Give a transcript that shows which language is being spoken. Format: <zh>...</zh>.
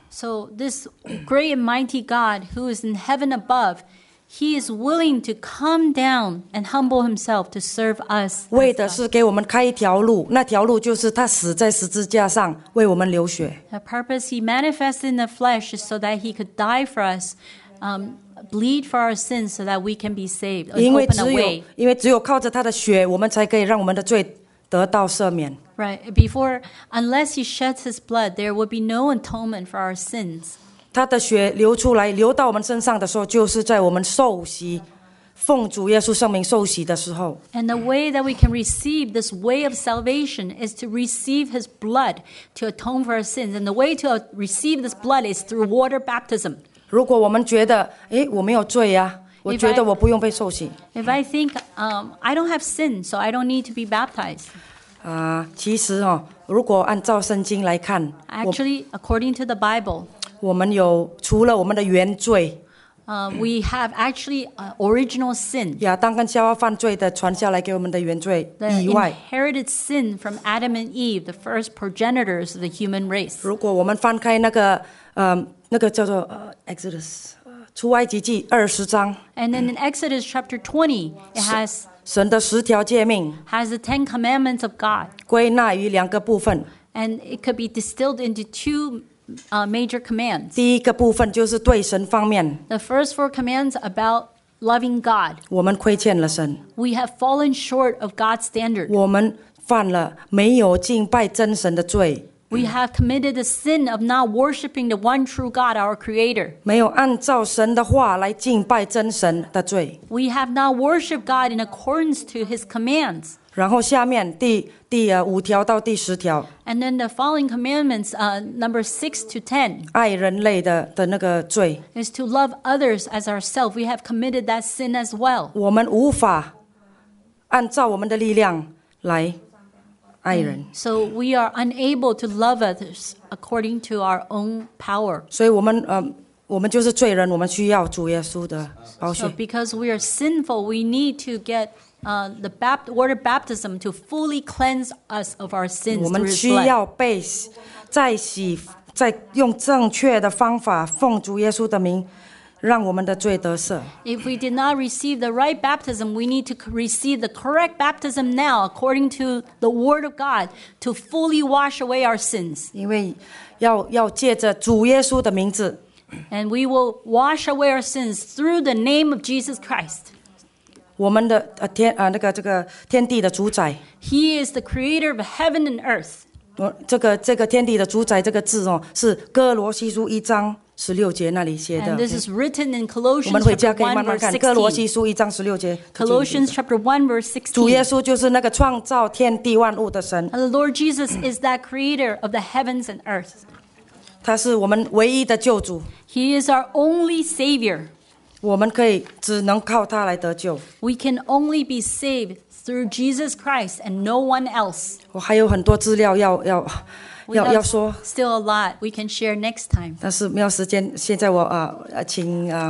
<en>So this great and mighty God who is in heaven above, he is willing to come down and humble himself to serve us.</en> <zh>为的是给我们开一条路，那条路就是他死在十字架上为我们流血。</zh> <en>The purpose he manifested in the flesh is so that he could die for us, bleed for our sins so that we can be saved.</en> <zh>因为只有靠着他的血，我们才可以让我们的罪得到赦免。</zh> <en>Right. Before, unless he sheds his blood, there would be no atonement for our sins.</en> <zh>他的血流出来，流到我们身上的时候，就是在我们受洗，奉主耶稣圣名受洗的时候。</zh> <en>And the way that we can receive this way of salvation is to receive his blood to atone for our sins. And the way to receive this blood is through water baptism.</en> <zh>如果我们觉得，诶，我没有罪呀。我觉得我不用被受洗。</zh> <en>If I think, I don't have sin, so I don't need to be baptized.</en> <zh>其实哦，如果按照圣经来看</zh> <en>，Actually, according to the Bible,</en> <zh>我们有除了我们的原罪</zh> <en>，We have actually original sin.</en> <zh>亚当跟夏娃犯罪的传下来给我们的原罪以外</zh> <en>，The inherited sin from Adam and Eve, the first progenitors of the human race.</en> <zh>如果我们翻开那个，那个叫做Exodus。出埃及记二十章</zh> <en>，And then in Exodus chapter 20, it has</en> <zh>神的十条诫命</zh> <en>，has the Ten Commandments of God</en> <zh>归纳于两个部分</zh> <en>，and it could be distilled into two major commands.</en> <zh>第一个部分就是对神方面</zh> <en>，the first four commands about loving God.</en> <zh>我们亏欠了神</zh> <en>，we have fallen short of God's standard.</en> <zh>我们犯了没有敬拜真神的罪。</zh> <en>We have committed the sin of not worshiping the one true God, our Creator.</en> <zh>没有按照神的话来敬拜真神的罪。</zh> <en>We have not worshiped God in accordance to His commands.</en> <zh>然后下面第五条到第十条。</zh> <en>And then the following commandments, number 6 to 10.</en> <zh>爱人类的那个罪。</zh> <en>Is to love others as ourselves. We have committed that sin as well.</en> <zh>我们无法按照我们的力量来。</zh> <en>So we are unable to love others according to our own power.</en> <zh>所以我们就是罪人，我们需要主耶稣的宝血。</zh> <en>So because we are sinful, we need to get the water baptism to fully cleanse us of our sins.</en> <zh>我们需要被再洗，再用正确的方法奉主耶稣的名。让我们的罪得赦。</zh> <en>If we did not receive the right baptism, we need to receive the correct baptism now, according to the word of God, to fully wash away our sins.</en> <zh>因为要借着主耶稣的名字。</zh> <en>And we will wash away our sins through the name of Jesus Christ.</en> <zh>我们的天地的主宰。</zh> <en>He is the creator of heaven and earth.</en> <zh>这个天地的主宰这个字哦，是哥罗西书一章。十六节那里写的。</zh> <en>And this is written in Colossians</en> <zh>我们回家可以慢慢看。哥罗西书一章十六节。</zh> <en>Colossians chapter 1 verse 16.</en> <zh>主耶稣就是那个创造天地万物的神。</zh> <en>And the Lord Jesus is that creator of the heavens and earth.</en> <zh>他是我们唯一的救主。</zh> <en>He is our only savior.</en> <zh>我们可以只能靠他来得救。</zh> <en>We can only be saved through Jesus Christ and no one else.</en> <zh>我还有很多资料要。要说</zh> <en>still a lot we can share next time.</en> <zh>但是没有时间，现在我请</zh>